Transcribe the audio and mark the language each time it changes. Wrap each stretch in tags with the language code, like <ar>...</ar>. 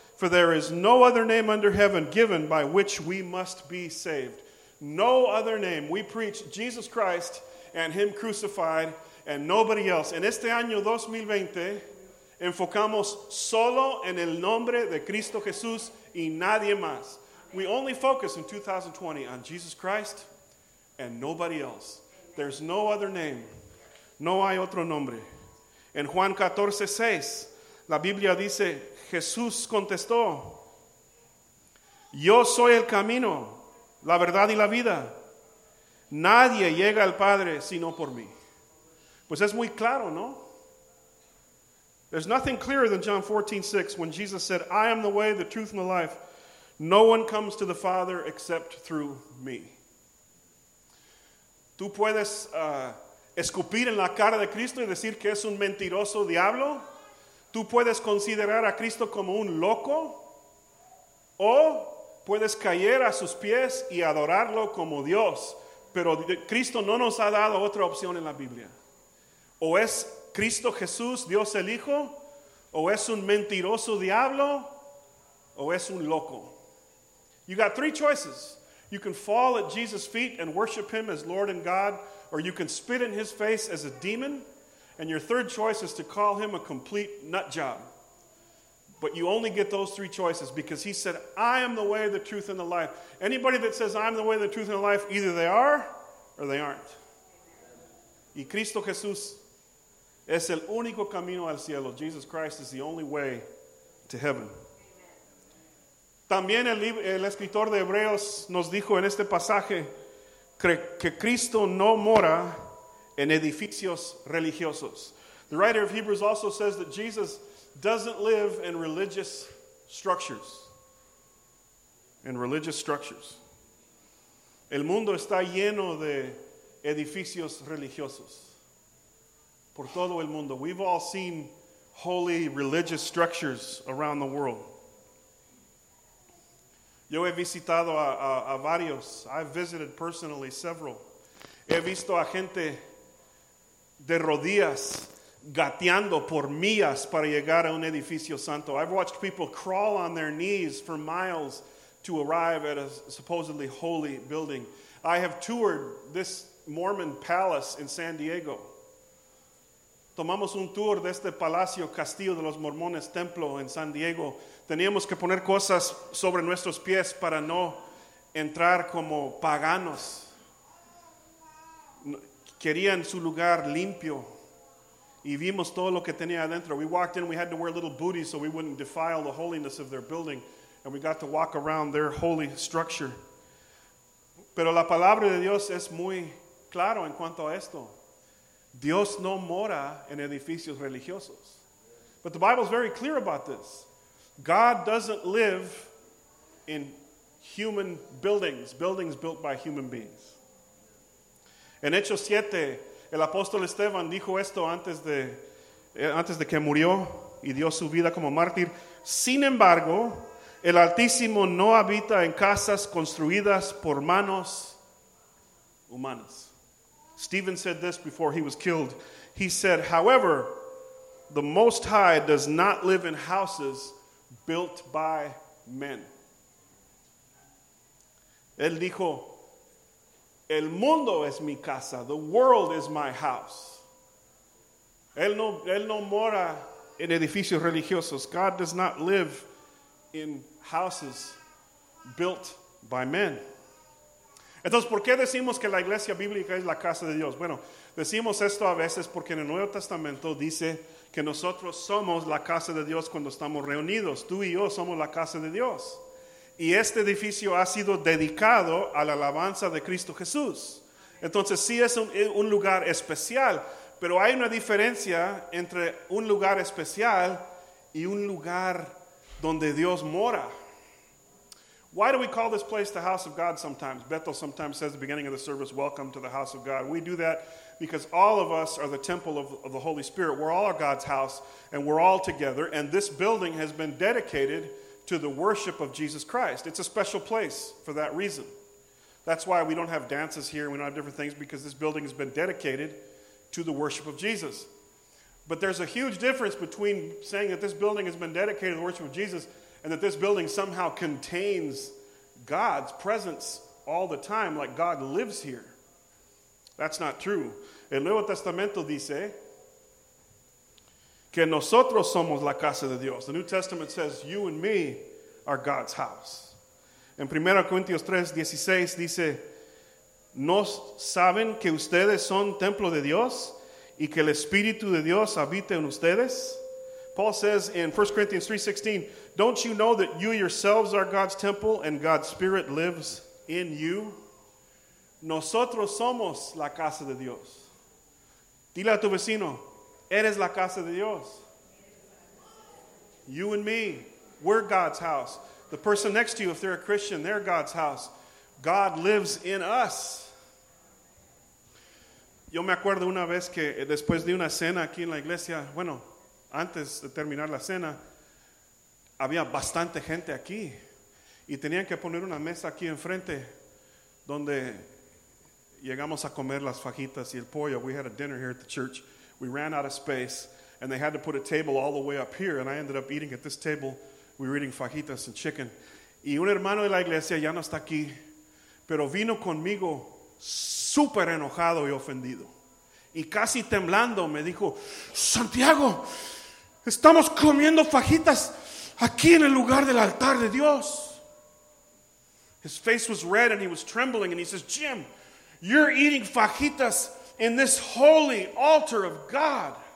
<en>For there is no other name under heaven given by which we must be saved. No other name. We preach Jesus Christ and Him crucified and nobody else.</en> <es>En este año 2020, enfocamos solo en el nombre de Cristo Jesús y nadie más.</es> <en>We only focus in 2020 on Jesus Christ and nobody else. There's no other name.</en> <es>No hay otro nombre. En Juan 14, 6, la Biblia dice, Jesús contestó, yo soy el camino, la verdad y la vida. Nadie llega al Padre sino por mí. Pues es muy claro, ¿no?</es> <en>There's nothing clearer than John 14:6 when Jesus said, I am the way, the truth, and the life. No one comes to the Father except through me.</en> <es>Tú puedes escupir en la cara de Cristo y decir que es un mentiroso diablo. Tú puedes considerar a Cristo como un loco o puedes caer a sus pies y adorarlo como Dios. Pero Cristo no nos ha dado otra opción en la Biblia. O es Cristo Jesús, Dios el Hijo, o es un mentiroso diablo, o es un loco.</es> <en>You got three choices. You can fall at Jesus' feet and worship Him as Lord and God, or you can spit in His face as a demon. And your third choice is to call Him a complete nut job. But you only get those three choices because He said, I am the way, the truth, and the life. Anybody that says, I'm the way, the truth, and the life, either they are or they aren't.</en> <es>Y Cristo Jesús es el único camino al cielo.</es> <en>Jesus Christ is the only way to heaven.</en> <es>También el escritor de Hebreos nos dijo en este pasaje que Cristo no mora en edificios religiosos.</es> <en>The writer of Hebrews also says that Jesus doesn't live in religious structures. In religious structures.</en> <es>El mundo está lleno de edificios religiosos. Por todo el mundo.</es> <en>We've all seen holy religious structures around the world.</en> <es>Yo he visitado a varios.</es> <en>I've visited personally several.</en> <es>He visto a gente de rodillas, gateando por millas para llegar a un edificio santo.</es> <en>I've watched people crawl on their knees for miles to arrive at a supposedly holy building. I have toured this Mormon palace in San Diego.</en> <es>Tomamos un tour de este palacio, castillo de los mormones, templo en San Diego. Teníamos que poner cosas sobre nuestros pies para no entrar como paganos. Querían su lugar limpio. Y vimos todo lo que tenía adentro.</es> <en>We walked in, we had to wear little booties so we wouldn't defile the holiness of their building. And we got to walk around their holy structure.</en> <es>Pero la palabra de Dios es muy claro en cuanto a esto. Dios no mora en edificios religiosos.</es> <en>But the Bible is very clear about this. God doesn't live in human buildings, buildings built by human beings.</en> <es>En Hechos 7, el apóstol Esteban dijo esto antes de que murió y dio su vida como mártir. Sin embargo, el Altísimo no habita en casas construidas por manos humanas.</es> <en>Stephen said this before he was killed. He said, however, the Most High does not live in houses built by men.</en> <es>Él dijo, el mundo es mi casa.</es> <en>The world is my house.</en> <es>Él no mora en edificios religiosos.</es> <en>God does not live in houses built by men.</en> <es>Entonces, ¿por qué decimos que la iglesia bíblica es la casa de Dios? Bueno, decimos esto a veces porque en el Nuevo Testamento dice que nosotros somos la casa de Dios cuando estamos reunidos. Tú y yo somos la casa de Dios. Y este edificio ha sido dedicado a la alabanza de Cristo Jesús. Entonces, sí es un lugar especial, pero hay una diferencia entre un lugar especial y un lugar donde Dios mora.</es> <en>Why do we call this place the house of God sometimes? Bethel sometimes says at the beginning of the service, welcome to the house of God. We do that because all of us are the temple of the Holy Spirit. We're all God's house and we're all together. And this building has been dedicated to the worship of Jesus Christ. It's a special place for that reason. That's why we don't have dances here. We don't have different things because this building has been dedicated to the worship of Jesus. But there's a huge difference between saying that this building has been dedicated to the worship of Jesus and that this building somehow contains God's presence all the time, like God lives here. That's not true.</en> <es>El Nuevo Testamento dice que nosotros somos la casa de Dios.</es> <en>The New Testament says you and me are God's house.</en> <es>En 1 Corintios 3:16 dice, ¿no saben que ustedes son templo de Dios y que el Espíritu de Dios habita en ustedes?</es> <en>Paul says in 1 Corinthians 3:16, don't you know that you yourselves are God's temple and God's Spirit lives in you?</en> <es>Nosotros somos la casa de Dios. Dile a tu vecino, eres la casa de Dios.</es> <en>You and me, we're God's house. The person next to you, if they're a Christian, they're God's house. God lives in us.</en> <es>Yo me acuerdo una vez que después de una cena aquí en la iglesia, bueno, antes de terminar la cena, había bastante gente aquí y tenían que poner una mesa aquí enfrente donde llegamos a comer las fajitas y el pollo.</es> <en>We had a dinner here at the church. We ran out of space and they had to put a table all the way up here and I ended up eating at this table. We were eating fajitas and chicken.</en> <es>Y un hermano de la iglesia ya no está aquí, pero vino conmigo súper enojado y ofendido. Y casi temblando me dijo, Santiago, estamos comiendo fajitas aquí en el lugar del altar de Dios.</es> <en>His face was red and he was trembling and he says, Jim, you're eating fajitas in this holy altar of God.</en>